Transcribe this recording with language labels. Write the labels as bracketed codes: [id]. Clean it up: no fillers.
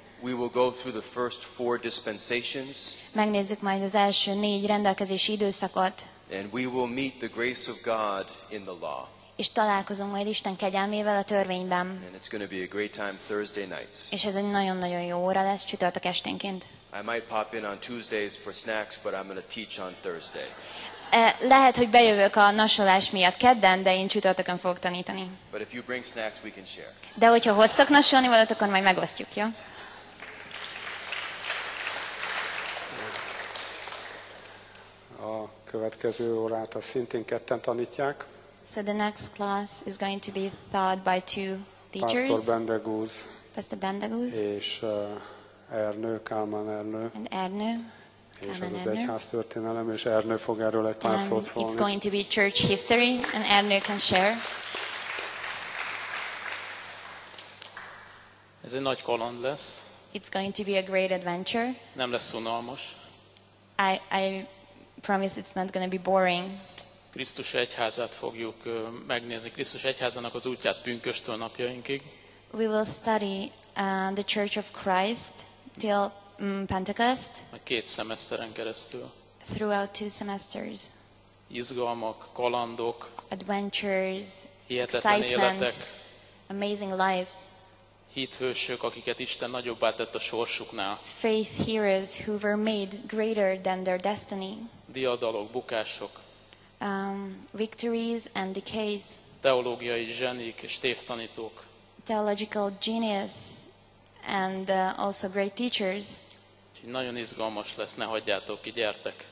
[en] We will go through the first four dispensations. [hu] Megnézzük majd az első négy rendelkezési időszakot. [en] And we will meet the grace of God in the law. [hu] És találkozunk majd Isten kegyelmével a törvényben. [en] And it's going to be a great time Thursday nights. [hu] És ez egy nagyon-nagyon jó óra lesz csütörtök esténként. [en] I might pop in on Tuesdays for snacks, but I'm going to teach on Thursday. [hu] Lehet, hogy bejövök a nasolás miatt kedden, de én csütörtökön fogok tanítani. [en] But if you bring snacks, we can share. [hu] De hogyha hoztok nasolni valót, akkor majd megosztjuk, jó? A következő órát a szintén ketten tanítják. [en] So the next class is going to be taught by two teachers. Pastor Bendegúz. Pastor Bendegúz. [hu] És Ernő, Kálmán Ernő. [en] And Ernő. [hu] És ez az egyház történelem, és Ernő fog erről egy pár szót szólni. [en] It's going to be church history, and Ernő can share. [hu] Ez egy nagy kaland lesz. [en] It's going to be a great adventure. [hu] Nem lesz unalmas. [en] I promise it's not going to be boring. [hu] Krisztus egyházát fogjuk megnézni. Krisztus egyházának az útját pünköstől napjainkig. [en] We will study the Church of Christ till Pentecost. [hu] Majd két szemeszteren keresztül. [en] Throughout two semesters. [hu] Izgalmak, kalandok. [en] Adventures. [hu] Hihetetlen [en] excitement, [hu] életek. [en] Amazing lives. [hu] Hithősök, akiket Isten nagyobbá tett a sorsuknál. [en] Faith heroes who were made greater than their destiny. [hu] Diadalok, bukások. [en] Victories and decays. [hu] Teológiai zsenik és tévtanítók. [en] Theological genius and also great teachers. [hu] Nagyon izgalmas lesz, ne hagyjátok ki, gyertek.